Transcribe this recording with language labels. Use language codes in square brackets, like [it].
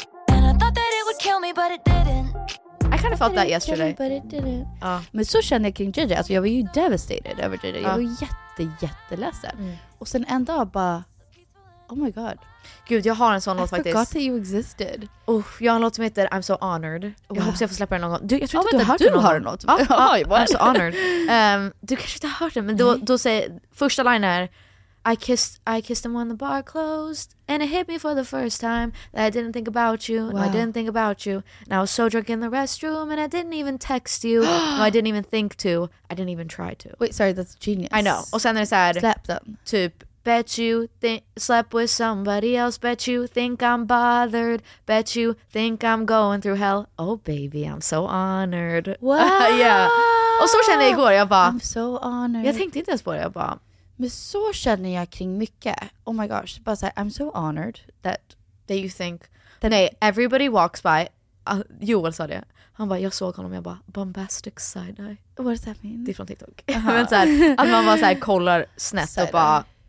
[en] And I thought that it would kill me but it didn't. I kind of felt that yesterday. But it didn't. [sv] Men så kände jag kring JJ. Alltså jag var ju devastated över JJ. Jag var jätteledsen. Och sen en dag bara, oh my god. Gud, jag har en sån låt faktiskt. [en] I forgot that you existed. [sv] Jag har en låt som heter I'm so honored. Jag hoppas jag får släppa den någon gång. Du, jag tror inte du har en låt. [en] I'm so honored. [sv] Du kanske inte har hört den, men då säger första line är [en] I kissed him when the bar closed and it hit me for the first time that I didn't think about you. Wow. I didn't think about you. And I was so drunk in the restroom and I didn't even text you. I didn't even think to. I didn't even try to. Wait, sorry, that's genius. I know. [sv] Och sen när jag sa släpp den. [en] Typ bet you slept with somebody else. Bet you think I'm bothered. Bet you think I'm going through hell. Oh baby, I'm so honored. Wow. [sv] Och så kände jag igår, jag bara, [en] I'm so honored. [sv] Jag tänkte inte ens på det, jag bara. Men så känner jag kring mycket. [en] Oh my gosh, [sv] bara så här, [en] I'm so honored that you think that. Nej, everybody walks by. [sv] Joel sa det. Han bara, jag såg honom, jag bara, bombastic side eye. [en] What does that mean? [sv] Det är från TikTok. Uh-huh. Men så här, att man bara så här, kollar snett side och bara eye.